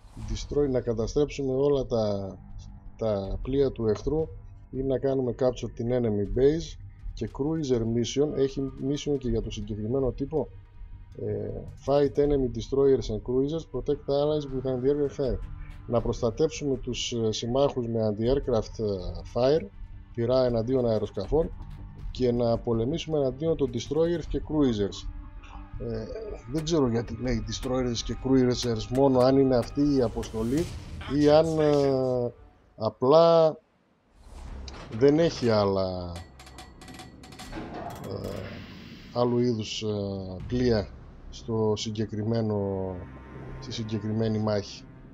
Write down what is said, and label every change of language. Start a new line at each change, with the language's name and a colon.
Greek: Destroy, να καταστρέψουμε όλα τα πλοία του εχθρού ή να κάνουμε capture την enemy base. Και cruiser mission, έχει mission και για το συγκεκριμένο τύπο.
English: Fight enemy destroyers and cruisers, protect allies with anti-aircraft fire.
Greek: Να προστατεύσουμε τους συμμάχους με anti-aircraft fire, πυρά εναντίον αεροσκαφών, και να πολεμήσουμε εναντίον των destroyers και cruisers. Δεν ξέρω γιατί λέει destroyers και cruisers μόνο, αν είναι αυτή η αποστολή ή αν απλά δεν έχει άλλα άλλου είδους πλοία στη συγκεκριμένη μάχη.